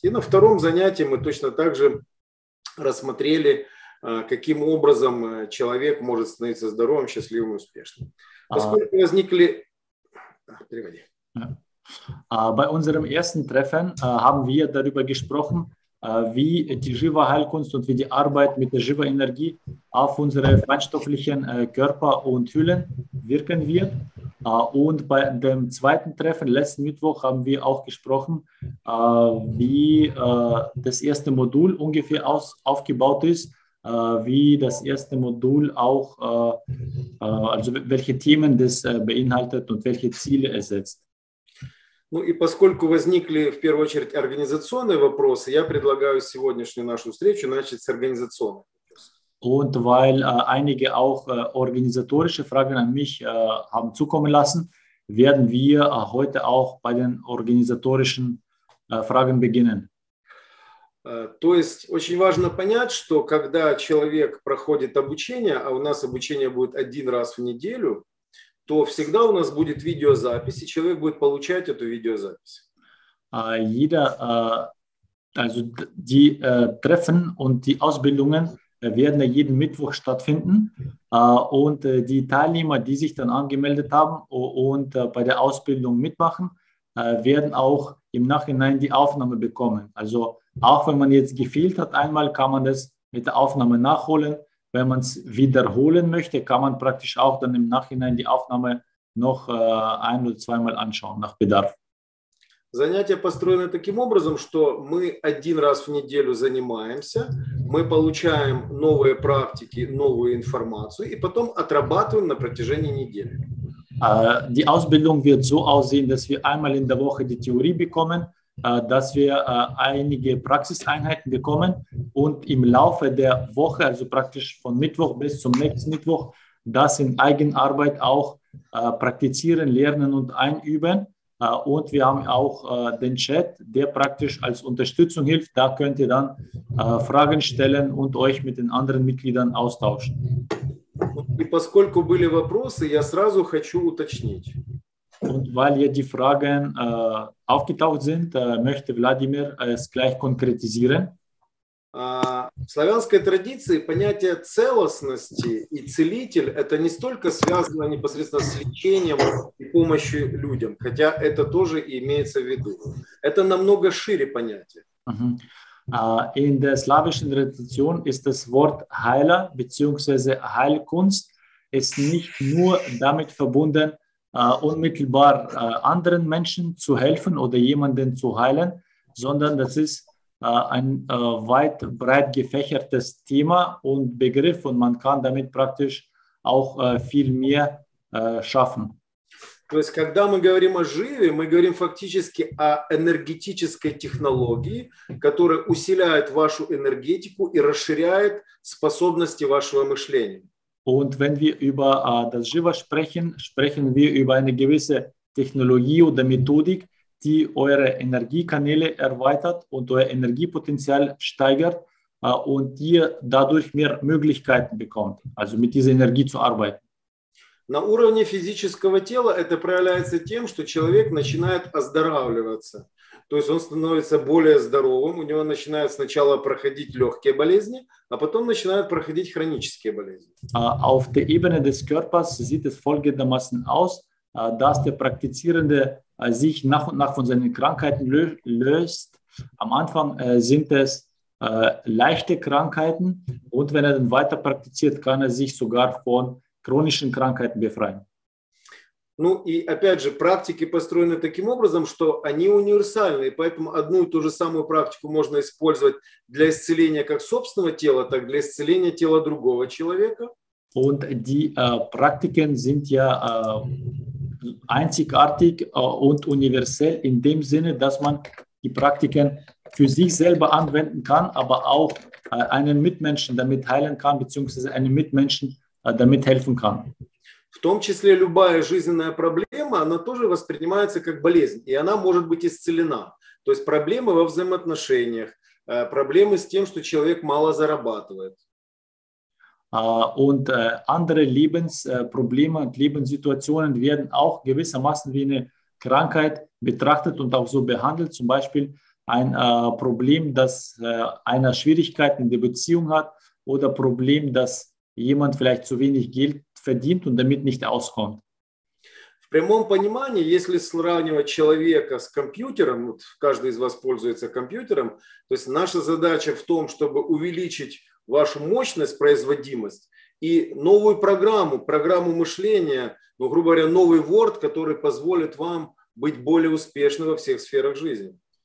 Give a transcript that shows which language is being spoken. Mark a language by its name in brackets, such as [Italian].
[Russian] И на втором занятии мы точно так же рассмотрели, каким образом человек может становиться здоровым, счастливым и успешным. Поскольку возникли... Переводи. [German] Bei unserem ersten Treffen haben wir darüber gesprochen, wie die Jiva-Heilkunst und wie die Arbeit mit der Jiva-Energie auf unsere feinstofflichen Körper und Hüllen wirken wird. Und bei dem zweiten Treffen, letzten Mittwoch, haben wir auch gesprochen, wie das erste Modul ungefähr aufgebaut ist, wie das erste Modul auch, also welche Themen das beinhaltet und welche Ziele es setzt. [Russian] Ну и поскольку возникли в первую очередь организационные вопросы, я предлагаю сегодняшнюю нашу встречу начать с организационных вопросов. [German] Und weil einige auch organisatorische Fragen an mich haben zukommen lassen, werden wir heute auch bei den organisatorischen Fragen beginnen. [Russian] То есть очень важно понять, что когда человек проходит обучение, а у нас обучение будет один раз в неделю, то всегда у нас будет видеозапись, и человек будет получать эту видеозапись. [German] Jeder, also die Treffen und die Ausbildungen werden jeden Mittwoch stattfinden, und die Teilnehmer, die sich dann angemeldet haben und bei der Ausbildung mitmachen, werden auch im Nachhinein die Aufnahme bekommen. Also auch wenn man jetzt gefehlt hat einmal, kann man das mit der Aufnahme nachholen. Wenn man es wiederholen möchte, kann man praktisch auch dann im Nachhinein die Aufnahme noch ein- oder zweimal anschauen, nach Bedarf. [Russian] Занятия построены таким образом, что мы один раз в неделю занимаемся, мы получаем новые практики, новую информацию и потом отрабатываем на протяжении недели. [German] Die Ausbildung wird so aussehen, dass wir einmal in der Woche die Theorie bekommen, dass wir einige Praxiseinheiten bekommen und im Laufe der Woche, also praktisch von Mittwoch bis zum nächsten Mittwoch, das in Eigenarbeit auch praktizieren, lernen und einüben. Und wir haben auch den Chat, der praktisch als Unterstützung hilft. Da könnt ihr dann Fragen stellen und euch mit den anderen Mitgliedern austauschen. [Russian] И поскольку были вопросы, я сразу хочу уточнить. [German] Und weil hier die Fragen aufgetaucht sind, möchte Wladimir es gleich konkretisieren. [Russian] В славянской традиции понятие целостности и целитель – это не столько связано непосредственно с лечением и помощью людям, хотя это тоже имеется в виду. Это намного шире понятие. [German] In der slawischen Tradition ist das Wort Heiler bzw. Heilkunst ist nicht nur damit verbunden, unmittelbar anderen Menschen zu helfen oder jemanden zu heilen, sondern das ist ein weit breit gefächertes Thema und Begriff und man kann damit praktisch auch viel mehr schaffen. [Russian] То есть, когда мы говорим о живе, мы говорим фактически о энергетической технологии, которая усиливает вашу энергетику и расширяет способности вашего мышления. [German] Und wenn wir über das Jiva sprechen, sprechen wir über eine gewisse Technologie oder Methodik, die eure Energiekanäle erweitert und euer Energiepotenzial steigert und ihr dadurch mehr Möglichkeiten bekommt, also mit dieser Energie zu arbeiten. [Russian] На уровне физического тела это проявляется тем, что человек начинает оздоравливаться. То есть он становится более здоровым, у него начинают сначала проходить легкие болезни, а потом начинают проходить хронические болезни. [German] Auf der Ebene des Körpers sieht es folgendermaßen aus, dass der Praktizierende sich nach und nach von seinen Krankheiten löst. Am Anfang sind es leichte Krankheiten und wenn er dann weiter praktiziert, kann er sich sogar von chronischen Krankheiten befreien. [Russian] Ну и опять же, практики построены таким образом, что они универсальны, поэтому одну и ту же самую практику можно использовать для исцеления как собственного тела, так и для исцеления тела другого человека. [German] Und die Praktiken sind ja einzigartig und universell in dem Sinne, dass man die Praktiken für sich selber anwenden kann, aber auch einen Mitmenschen damit heilen kann, beziehungsweise einem Mitmenschen damit helfen kann. [Russian] В том числе любая жизненная проблема, она тоже воспринимается как болезнь, и она может быть исцелена. То есть проблемы во взаимоотношениях, проблемы с тем, что человек мало зарабатывает. [German] Und andere Lebensprobleme und Lebenssituationen werden auch gewissermaßen wie eine Krankheit betrachtet und auch so behandelt. Zum Beispiel ein Problem, dass einer Schwierigkeiten in der Beziehung hat oder Problem, dass jemand vielleicht zu wenig Geld verdient und damit nicht auskommt. [Russian] В прямом понимании, если сравнивать человека с компьютером, вот каждый из вас пользуется компьютером, то есть наша задача в том, чтобы увеличить вашу мощность, производимость и новую программу, программу мышления, ну, грубо говоря, новый Word, который позволит вам быть более успешным во всех сферах жизни.